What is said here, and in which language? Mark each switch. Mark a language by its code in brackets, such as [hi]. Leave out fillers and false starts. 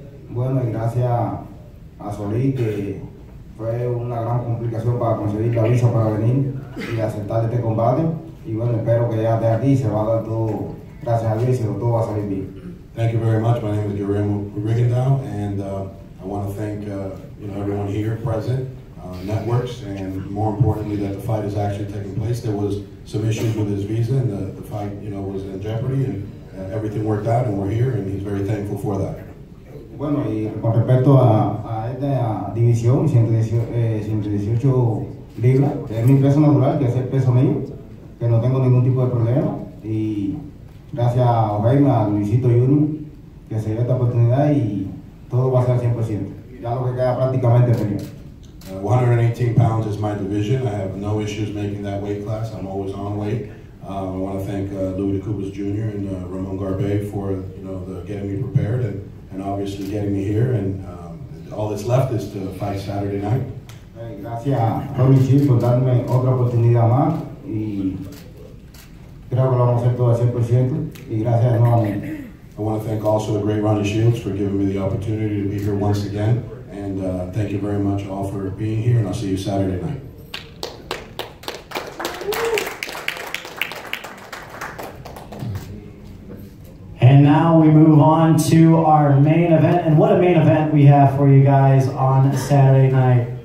[es] Bueno, y gracias a Solís, que fue una gran complicación para conseguir la visa para venir y aceptar este combate. y bueno, espero que ya de aquí se va a dar todo, gracias a Dios, y todo va a salir bien. [en] Thank you very much. My name is Guillermo Rigondeaux, and I want to thank you know, everyone here present, networks, and more importantly, that the fight is actually taking place. There was some issues with his visa, and the fight, you know, was in jeopardy, and everything worked out, and we're here, and he's very thankful for that. [es] Bueno, y con respecto a esta división, 118 libras, es mi peso natural, que es el peso mío, que no tengo ningún tipo de problema, y gracias a Jaime, a Luisito Junior, que se dio esta oportunidad, y todo va a ser 100%. Ya lo que queda prácticamente es mío. [en] 118 pounds is my division. I have no issues making that weight class. I'm always on weight. I want to thank Louis de Cubas Jr. and Ramon Garbe for, you know, the getting me prepared and obviously getting me here. And all that's left is to fight Saturday night. [es] Gracias, Robin Chief, por darme otra oportunidad más. Y creo que lo vamos a hacer todo al 100%. Y gracias nuevamente. [en] I want to thank also the great Ronnie Shields for giving me the opportunity to be here once again. And thank you very much all for being here, and I'll see you Saturday night. And now we move on to our main event. And what a main event we have for you guys on Saturday night.